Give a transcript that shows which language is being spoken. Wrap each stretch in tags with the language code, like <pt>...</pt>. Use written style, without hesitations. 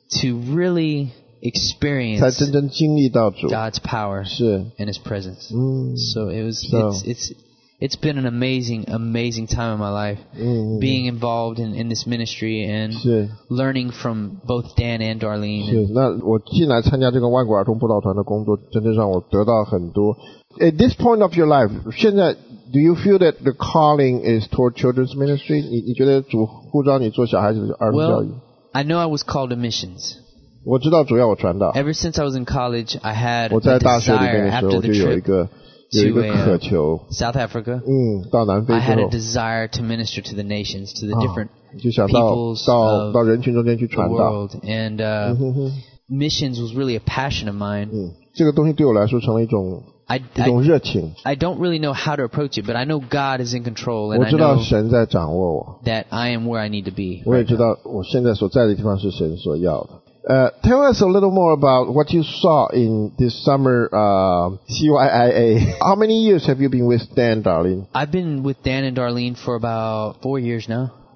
<en>To really experience</en> <zh>才真正经历到主。</zh> <en>God's power.</en> <zh>是。</zh> <en>And His presence.</en> <zh>嗯。</zh> <en>So it was, it's been an amazing, amazing time in my life, being involved in this ministry and learning from both Dan and Darlene.</en> <zh>是，那我进来参加这个万国儿童布道团的工作，真的让我得到很多。</zh> <en>At this point of your life,</en> <zh>现在</zh> <en>do you feel that the calling is toward children's ministry?</en> <zh>你觉得主呼召你做小孩子的儿童教育？</zh> <en>Well, I know I was called to missions.</en> <zh>我知道主要我传道。</zh> <en>Ever since I was in college, I had a desire after the trip.</en> <zh>我在大学里面的时候就有一个渴求。</zh> <en>South Africa.</en> <zh>嗯，到南非之后。</zh> <en>I had a desire to minister to the nations, to the different peoples of the</en> <zh>world. 就想到人群中间去传道。</zh> <en>And missions was really a passion of mine.</en> <zh>嗯，这个东西对我来说成了一种热情。</zh> <en>I don't really know how to approach it, but I know God is in control, and</en> <zh>我知道神在掌握我。</zh> <en>That I am where I need to be.</en> <zh>我也知道我现在所在的地方是神所要的。</zh> <en>Tell us a little more about what you saw in this summer CYIA. How many years have you been with Dan, Darlene? I've been with Dan and Darlene for about 4 years now.</en>